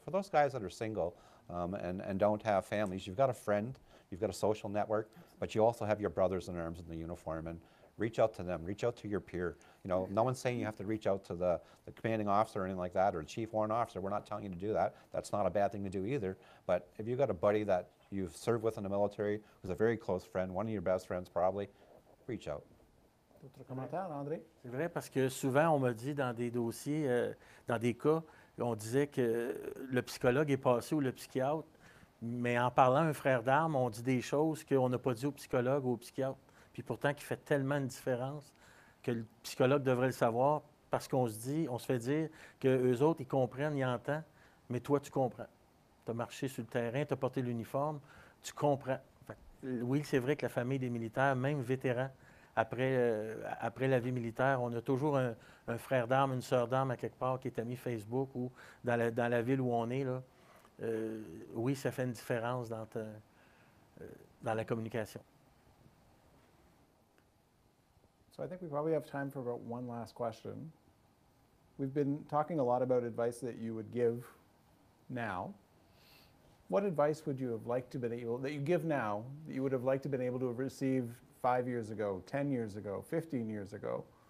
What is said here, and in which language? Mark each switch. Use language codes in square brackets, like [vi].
[en] For those guys that are single and don't have families, you've got a friend, you've got a social network, but you also have your brothers in arms in the uniform, and reach out to them, reach out to your peer. You know, no one's saying you have to reach out to the commanding officer or anything like that, or the chief warrant officer. We're not telling you to do that. That's not a bad thing to do either. But if you've got a buddy that you've served with in the military, who's a very close friend, one of your best friends probably, reach out. [fr] D'autres commentaires, André? C'est vrai, parce que souvent, on m'a dit dans des dossiers, dans des cas, on disait que le psychologue est passé ou le psychiatre, mais en parlant à un frère d'armes, on dit des choses qu'on n'a pas dit au psychologue ou au psychiatre, puis pourtant qui fait tellement une différence que le psychologue devrait le savoir, parce qu'on se dit, on se fait dire qu'eux autres, ils comprennent, ils entendent, mais toi, tu comprends. Tu as marché sur le terrain, tu as porté l'uniforme, tu comprends. Fait, oui, c'est vrai que la famille des militaires, même vétérans, après la vie militaire, on a toujours un frère d'armes, une sœur d'armes à quelque part qui est ami Facebook ou dans la ville où on est. Là. Oui, ça fait une différence dans la communication. [en] So I think we probably have time for about one last question. We've been talking a lot about advice that you would give now. What advice would you have liked to been able, that you give now, that you would have liked to been able to have received 5 years ago, 10 years ago, 15 years ago?